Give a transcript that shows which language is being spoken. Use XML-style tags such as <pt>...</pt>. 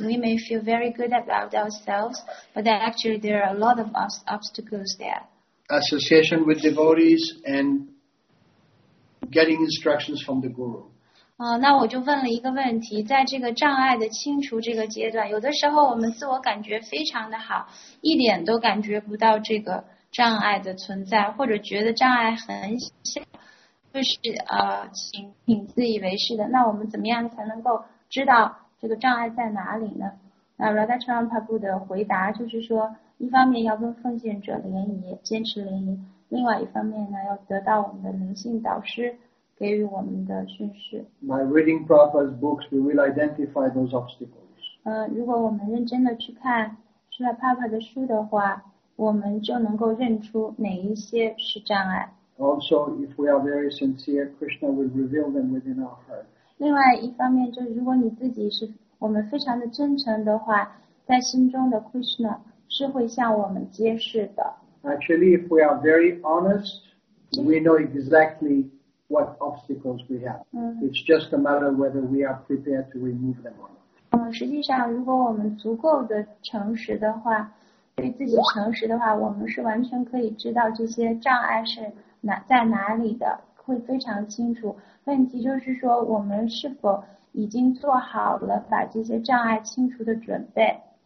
<en>We may feel very good about ourselves, but actually there are a lot of obstacles there. Association with devotees and getting instructions from the guru.</en> <zh>那我就问了一个问题，在这个障碍的清除这个阶段，有的时候我们自我感觉非常的好，一点都感觉不到这个障碍的存在，或者觉得障碍很小。就是挺自以为是的，那我们怎么样才能够知道这个障碍在哪里呢？那 Radhakrishna Prabhu 的回答就是说，一方面要跟奉献者联谊，坚持联谊，另外一方面呢，要得到我们的灵性导师给予我们的训示。</zh> <en>By reading Prabhupada's books, we will identify those obstacles.</en> <zh>如果我们认真的去看 Srila Prabhupada 的书的话，我们就能够认出哪一些是障碍。</zh> <en>Also, if we are very sincere, Krishna will reveal them within our heart.</en> <zh>另外一方面就是，如果你自己是我们非常的真诚的话，在心中的 Krishna 是会向我们揭示的。</zh> <en>Actually, if we are very honest, we know exactly what obstacles we have. It's just a matter of whether we are prepared to remove them or not.</en> <zh>实际上，如果我们足够的诚实的话，对自己诚实的话，我们是完全可以知道这些障碍是。在哪里的会非常清楚，问题就是说我们是否已经做好了把这些障碍清除的准备。</zh>